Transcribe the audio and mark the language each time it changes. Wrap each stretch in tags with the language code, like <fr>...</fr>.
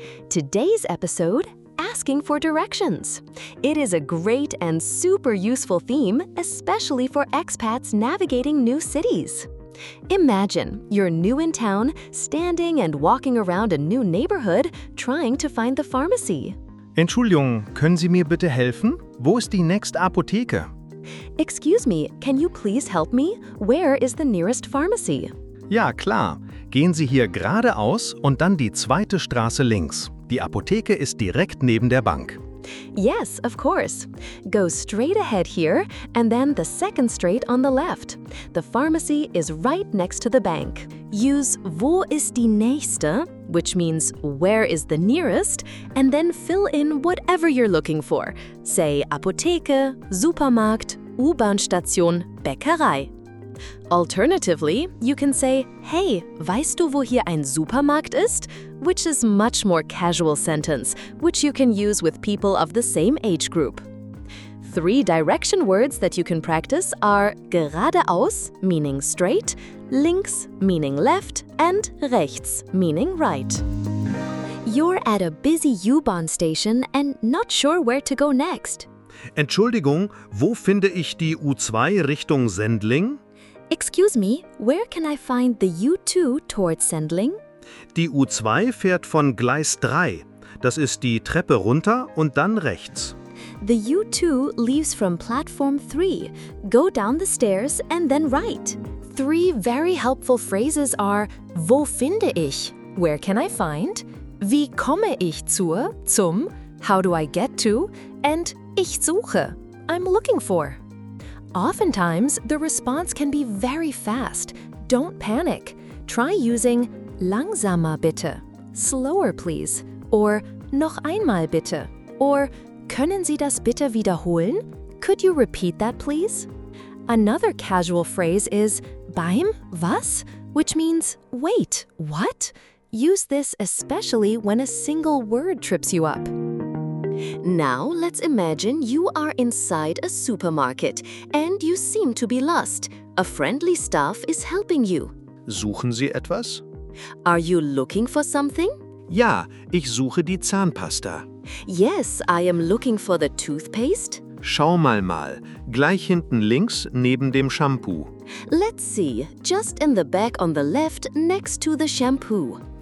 <en>Today's episode, asking for directions. It is a great and super useful theme, especially for expats navigating new cities. Imagine you're new in town, standing and walking around a new neighborhood, trying to find the pharmacy.</en> <de>Entschuldigung, können Sie mir bitte helfen? Wo ist die nächste Apotheke?</de> <en>Excuse me, can you please help me? Where is the nearest pharmacy?</en> <de>Ja, klar. Gehen Sie hier geradeaus und dann die zweite Straße links. Die Apotheke ist direkt neben der Bank.</de> <en>Yes, of course. Go straight ahead here and then the second straight on the left. The pharmacy is right next to the bank. Use</en> <de>wo ist die nächste,</de> <en>which means where is the nearest, and then fill in whatever you're looking for. Say Apotheke, Supermarkt, U-Bahn-Station, Bäckerei. Alternatively, you can say, hey,</en> <de>weißt du, wo hier ein Supermarkt ist?</de> <en>Which is much more casual sentence, which you can use with people of the same age group. Three direction words that you can practice are geradeaus, meaning straight, links, meaning left, and rechts, meaning right. You're at a busy U-Bahn station and not sure where to go next.</en> <de>Entschuldigung, wo finde ich die U2 Richtung Sendling?</de> <en>Excuse me, where can I find the U2 towards Sendling?</en> <de>Die U2 fährt von Gleis 3. Das ist die Treppe runter und dann rechts.</de> <en>The U2 leaves from platform 3. Go down the stairs and then right. Three very helpful phrases are</en> <de>wo finde ich?</de> <en>Where can I find?</en> <de>Wie komme ich zur? Zum?</de> <en>How do I get to? And</en> <de>ich suche.</de> <en>I'm looking for. Oftentimes, the response can be very fast. Don't panic. Try using</en> <de>langsamer bitte,</de> <en>slower please,</en> <de>or noch einmal bitte, or können Sie das bitte wiederholen?</de> <en>Could you repeat that please? Another casual phrase is beim was, which means wait, what? Use this especially when a single word trips you up. Now, let's imagine you are inside a supermarket and you seem to be lost. A friendly staff is helping you.</en> <de>Suchen Sie etwas?</de> <en>Are you looking for something?</en> <de>Ja, ich suche die Zahnpasta.</de> <en>Yes, I am looking for the toothpaste.</en> <de>Schau mal, gleich hinten links neben dem Shampoo.</de> <en>Let's see, just in the back on the left next to the shampoo.</en>